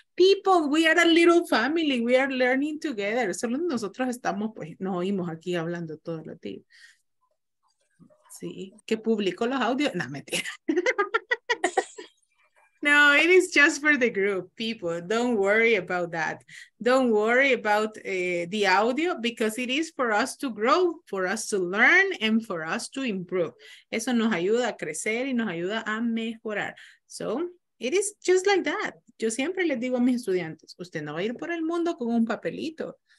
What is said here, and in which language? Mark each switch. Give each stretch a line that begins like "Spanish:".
English: People, we are a little family, we are learning together.
Spanish: Solo nosotros estamos, pues, nos oímos aquí hablando todos los días. Sí, que publico los audios. No, mentira.
English: No, it is just for the group, people. Don't worry about that. Don't worry about the audio because it is for us to grow, for us to learn, and for us to improve.
Spanish: Eso nos ayuda a crecer y nos ayuda a mejorar.
English: So, it is just like that.
Spanish: Yo siempre les digo a mis estudiantes, usted no va a ir por el mundo con un papelito.